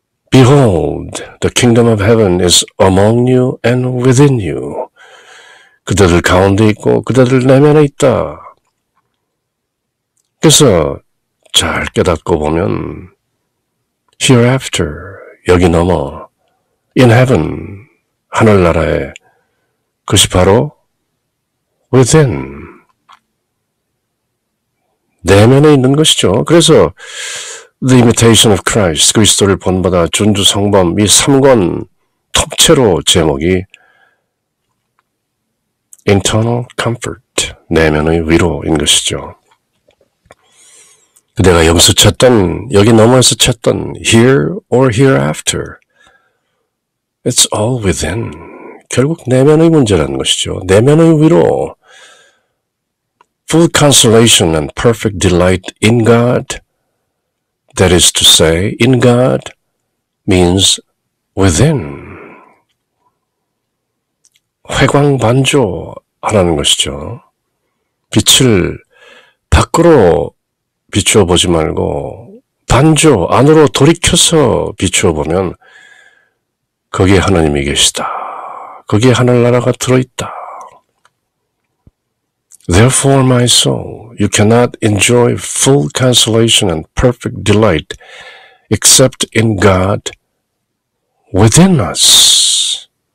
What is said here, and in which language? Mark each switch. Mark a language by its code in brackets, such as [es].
[en] Behold, the kingdom of heaven is among you and within you. [ko] 그대들 가운데 있고 그대들 내면에 있다. 그래서 잘 깨닫고 보면 hereafter, 여기 넘어, [en] in heaven, [ko] 하늘나라에, 그것이 바로 within, 내면에 있는 것이죠. 그래서 the imitation of Christ, 그리스도를 본받아 준주 성범, 이 3권 통째로 제목이 [en] internal comfort, [ko] 내면의 위로인 것이죠. 그대가 여기서 찾던, 여기 넘어서 찾던, [en] here or hereafter, it's all within. [ko] 결국 내면의 문제라는 것이죠. 내면의 위로, [en] full consolation and perfect delight in God, that is to say, in God means within. [ko] 회광반조 하라는 것이죠. 빛을 밖으로 비추어 보지 말고 반조 안으로 돌이켜서 비추어 보면 거기에 하나님이 계시다. 거기에 하늘나라가 들어있다. [en] Therefore, my soul, you cannot enjoy full consolation and perfect delight except in God within us.